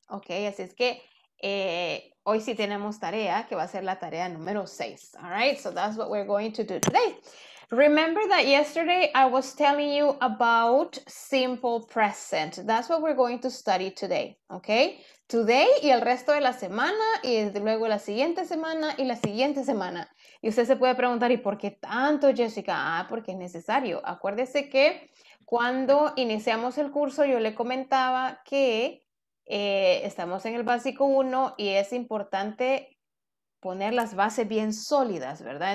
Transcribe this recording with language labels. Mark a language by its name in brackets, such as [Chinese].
[Spanish] Okay, así es que, hoy sí tenemos tarea, que va a ser la tarea número 6. [English] All right, so that's what we're going to do today. Remember that yesterday I was telling you about simple present. That's what we're going to study today, okay? Today [Spanish] y el resto de la semana, y luego la siguiente semana, y la siguiente semana. Y usted se puede preguntar, ¿y por qué tanto, Jessica? Ah, porque es necesario. Acuérdese que cuando iniciamos el curso yo le comentaba que estamos en el básico 1 y es importante poner las bases bien sólidas, ¿verdad?